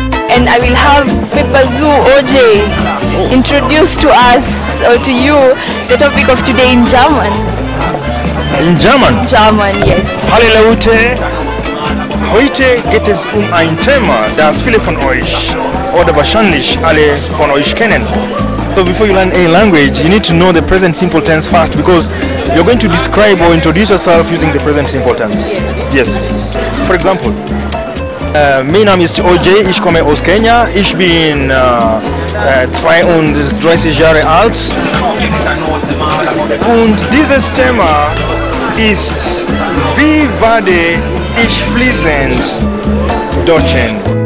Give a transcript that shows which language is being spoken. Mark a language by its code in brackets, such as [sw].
[en] And I will have Pepazu OJ introduce to us or to you the topic of today in German. In German? German, yes. [de] Hallo Ute. Heute geht es ein Thema, das viele von euch oder wahrscheinlich alle von euch kennen. [en] So before you learn a language, you need to know the present simple tense first, because you're going to describe or introduce yourself using the present simple tense. Yes. For example, [de] mein Name ist OJ, ich komme aus Kenya, ich bin 32 Jahre alt. Und dieses Thema ist, wie werde ich fließend Deutschen?